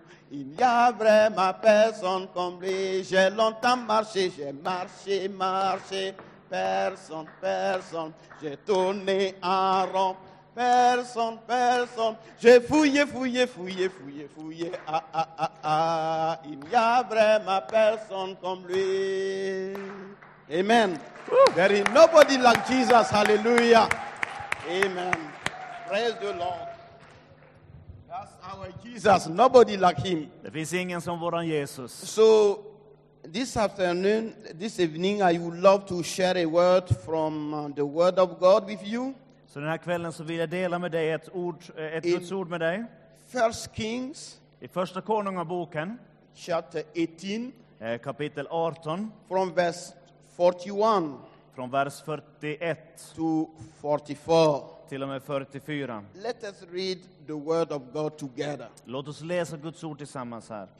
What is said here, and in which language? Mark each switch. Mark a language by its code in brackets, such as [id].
[fr] Il n'y a vraiment personne comme lui. J'ai longtemps marché, j'ai marché, marché. Personne, personne, j'ai tourné en rond. Personne, personne, j'ai fouillé, fouillé, fouillé, fouillé, fouillé. Ah, ah, ah, ah, il n'y a vraiment personne comme lui. Amen. Ooh. [en] There is nobody like Jesus, hallelujah. Amen. Praise the Lord. That's our Jesus, nobody like him. [sv] Det finns ingen som våran Jesus. [en] So, this afternoon, this evening, I would love to share a word from the Word of God with you. [sv] Så den här kvällen så vill jag dela med dig ett ord, ett Guds ord med dig. [en] First Kings, [sv] i första Konungaboken, [en] chapter 18, [sv] kapitel 18, [en] from verse 41, [sv] från vers 41 [en] to 44, [sv] till och med 44. [en] Let us read the Word of God together. [sv] Låt oss läsa Guds ord tillsammans här.